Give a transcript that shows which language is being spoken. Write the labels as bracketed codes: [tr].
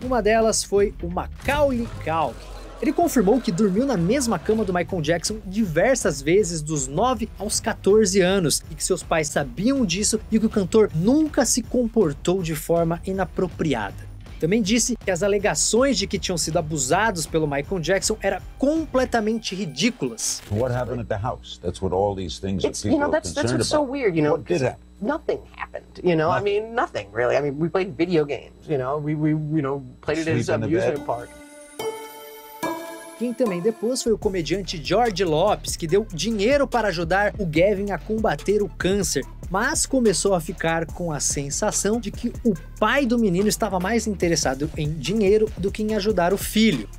[pt] Uma delas foi o Macaulay Culkin. Ele confirmou que dormiu na mesma cama do Michael Jackson diversas vezes dos 9 aos 14 anos, e que seus pais sabiam disso e que o cantor nunca se comportou de forma inapropriada. Também disse que as alegações de que tinham sido abusados pelo Michael Jackson eram completamente ridículas. [en] What happened at the house? That's what all these things that people are concerned about. That's what's so weird, you know. What did happen? Nothing happened, you know. I mean, nothing really. I mean, we played video games, you know. We played it at an amusement park. [pt] Quem também depois foi o comediante George Lopes, que deu dinheiro para ajudar o Gavin a combater o câncer, mas começou a ficar com a sensação de que o pai do menino estava mais interessado em dinheiro do que em ajudar o filho.